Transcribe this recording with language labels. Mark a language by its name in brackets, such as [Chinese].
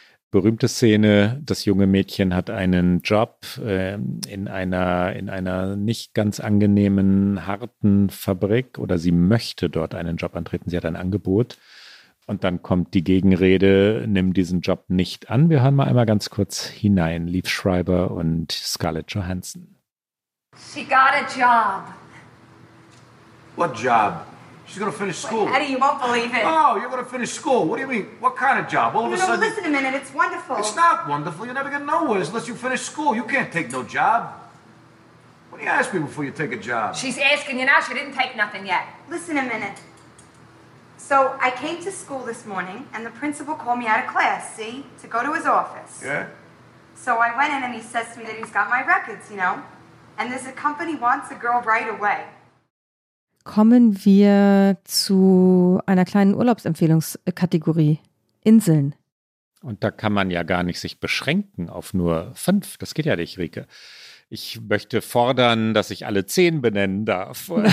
[German] Berühmte Szene, das junge Mädchen hat einen Job in einer nicht ganz angenehmen, harten Fabrik oder sie möchte dort einen Job antreten, sie hat ein Angebot. Und dann kommt die Gegenrede, nimm diesen Job nicht an. Wir hören mal einmal ganz kurz hinein, Liev Schreiber und Scarlett Johansson. [English] She got a job. What job? She's going to finish school. Wait, Eddie, you won't believe it. Oh, you're going to finish school. What do you mean? What kind of job? All of a sudden... Listen a minute. It's wonderful. It's not wonderful. You're never going to know where unless you finish school. You can't take no job. What do you ask me before you take a job? She's asking you now. She didn't take nothing yet. Listen a minute. So I came to school this morning, and the principal called me out of class, see, to go to his office. Yeah? So I went in, and he says to me that he's got my records, you know? And there's a company wants a girl right away. [German] Kommen wir zu einer kleinen Urlaubsempfehlungskategorie, Inseln. Und da kann man ja gar nicht sich beschränken auf nur 5. Das geht ja nicht, Rieke. Ich möchte fordern, dass ich alle 10 benennen darf.